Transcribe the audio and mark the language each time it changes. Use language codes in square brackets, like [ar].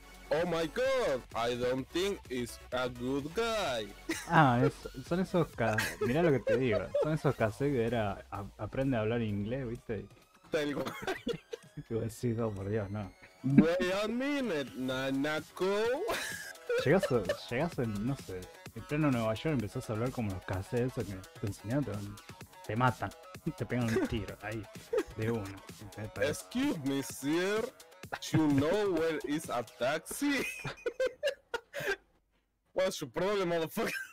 [en] Oh my god, I don't think it's a good guy. [es] Ah, son esos casos. Mirá lo que te digo. Son esos casos que era. Aprende a hablar inglés, ¿viste? Tal cual. Y vos decís, oh, por Dios, no. [en] Wait a minute, Nanako. [es] Llegás en, no sé, en pleno Nueva York, empezás a hablar como los cassettes que te enseñaron, te matan, te pegan un tiro, ahí, de uno. [en] Excuse me, sir, you know where is a taxi? What's your problem, motherfucker?